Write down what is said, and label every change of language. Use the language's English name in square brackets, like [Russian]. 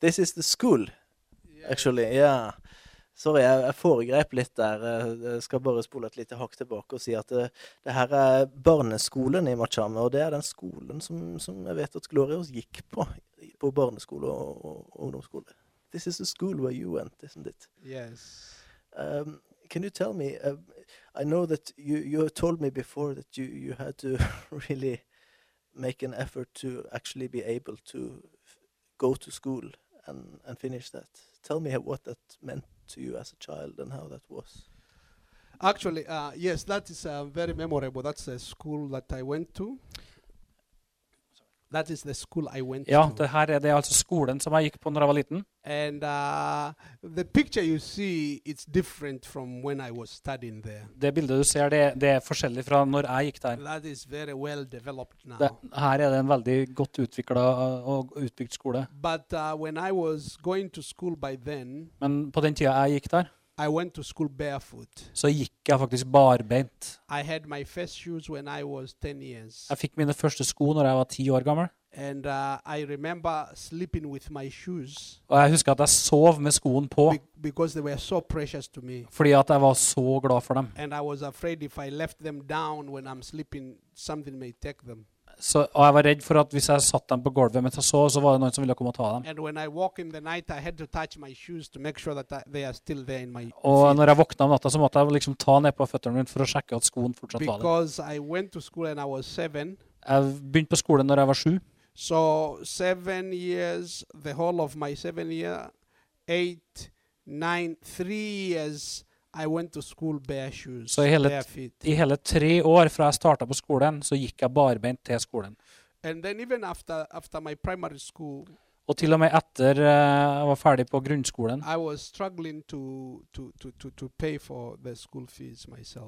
[English] This is the school, actually. Yeah. Sorry, [Norwegian] jeg foregrep litt der. Jeg skal bare spole et lite hakk tilbake og si at det her er barneskolen i Machame, og det er den skolen som jeg vet at Glorious gikk på barneskole og ungdomsskole. [English] This is the school where you went, isn't it? Yes. Can you tell me, I know that you told me before that you had to really make an effort to actually be able to go to school and finish that. Tell me what that meant to you as a child and how that was. Actually, yes, that is very memorable. That's the school that I went to. That is the school I went [Norwegian] to. Ja, det her det altså skolen som jeg gikk på når jeg var liten. [English] And the picture you see, it's different from when I was studying there. [Norwegian] Det bildet du ser, det er forskjellig fra når jeg gikk der. [English] That is very well developed now. [Norwegian] Her det en veldig godt utviklet og utbygd skole. [English] But when I was going to school by then, [Norwegian] men på den tiden jeg gikk der, [English] I went to school barefoot. [Norwegian] Så gikk jeg faktisk barbent. [English] I had my first shoes when I was 10 years. [Norwegian] Jeg fikk mine første sko når jeg var 10 år gammel. [English] And I remember sleeping with my shoes. [Norwegian] Og jeg husker at jeg sov med skoen på. [English] Because they were so precious to me. [Norwegian] Fordi at jeg var så glad for dem. [English] And I was afraid if I left them down when I'm sleeping, something may take them. [Norwegian] Så, og jeg var redd for at hvis jeg satt dem på gulvet mens jeg sov, så var det noen som ville komme og ta dem. [English] And when I walk in the night, I had to touch my shoes to make sure that they are still there in my feet. [Norwegian] Og når jeg våkna om natten, så måtte jeg liksom ta ned på føttene mine for å sjekke at skoen fortsatt [English] Because [Norwegian] var der. [English] Because I went to school and I was 7. [Norwegian] Jeg begynte på skolen når jeg var 7. [English] So 7 years, the whole of my 7 year, 8, 9, 3 years, I went to school bare shoes. [Norwegian] Så i hele 3 år fra jeg startet på skolen, så gikk jeg barbeint til skolen. [English] And then even after my primary school. [Norwegian] Og til og med etter jeg var ferdig på grunnskolen. [English] I was struggling to pay for the school fees myself.